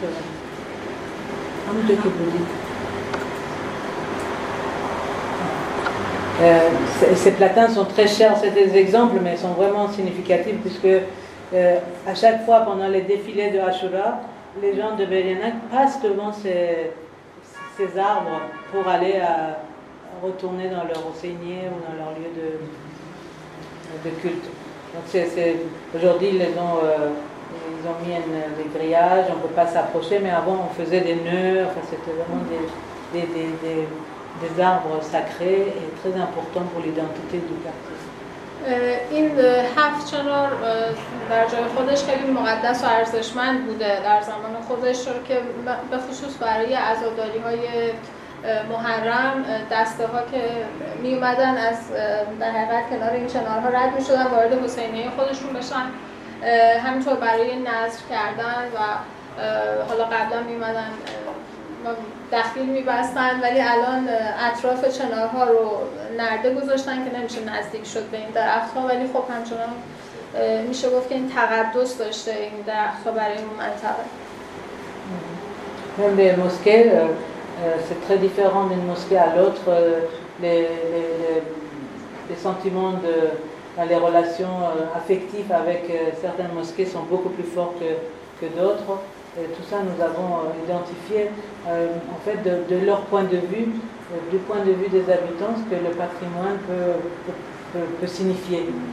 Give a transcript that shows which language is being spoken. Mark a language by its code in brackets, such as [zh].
[fa] هست [fr] ces platanes sont très chers, c'est des exemples, mais sont vraiment significatifs puisque à chaque fois pendant les défilés de Ashura, les gens de Belianak passent devant ces arbres pour aller à retourner dans leur enseignée ou dans leur lieu de culte. Donc aujourd'hui, ils ont mis des grillages, on ne peut pas s'approcher, mais avant on faisait des nœuds, enfin, c'était vraiment des arbres sacrés et très important pour l'identité du quartier. [fa] این هفت چنار در جای خودش خیلی مقدس و ارزشمند بوده در زمان خودش رو که به خصوص برای عزاداری های محرم دسته ها که می اومدن از در حقیقت کنار این چنارها رد می شدن وارد حسینیه خودشون بشن همینطور برای نذر کردن و حالا قبلا می اومدن دخیل می‌بستن ولی الان اطراف چنارها رو نرده گذاشتن که نمیشه نزدیک شد به این درخت‌ها ولی خب همچنان میشه گفت که این تقدس داشته این درخت‌ها برای اون منطقه. [fr] Même les mosquées, c'est très différent d'une mosquée à l'autre. Les sentiments de les relations affectives avec certaines mosquées sont beaucoup plus forts que d'autres. Et tout ça, nous avons identifié, en fait, de leur point de vue, du point de vue des habitants, ce que le patrimoine peut signifier.